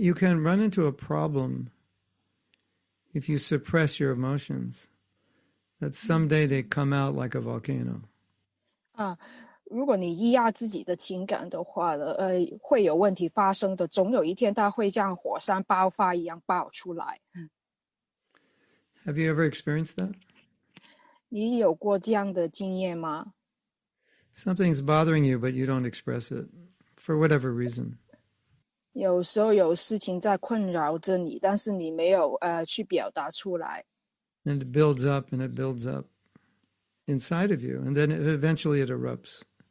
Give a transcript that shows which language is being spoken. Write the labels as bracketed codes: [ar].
[en] You can run into a problem if you suppress your emotions, that someday they come out like a volcano. [zh] 如果你压自己的情感的话，会有问题发生的，总有一天它会像火山爆发一样爆出来。 [en] Have you ever experienced that? [zh] 你有过这样的经验吗？ [en] Something's bothering you, but you don't express it for whatever reason. [zh] 有时候有事情在困扰着你，但是你没有去表达出来。 [en] And it builds up and it builds up inside of you, and then eventually it erupts.